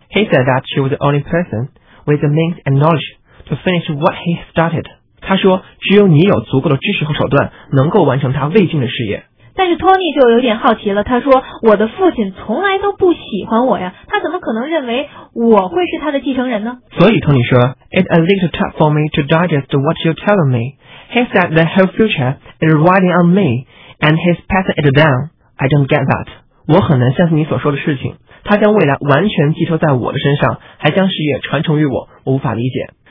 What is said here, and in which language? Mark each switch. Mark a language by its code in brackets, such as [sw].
[en] He said that she was the only person with the means and knowledge to finish what he started. [zh] 他说只有你有足够的知识和手段能够完成他未尽的事业。但是托尼就有点好奇了，他说我的父亲从来都不喜欢我呀，他怎么可能认为我会是他的继承人呢？所以托尼说 [en] It's a little tough for me to digest what you're telling me. He said the whole future is riding on me and he's passing it down. I don't get that. [zh] 我很难相信你所说的事情，他将未来完全寄托在我的身上，还将事业传承于我，我无法理解。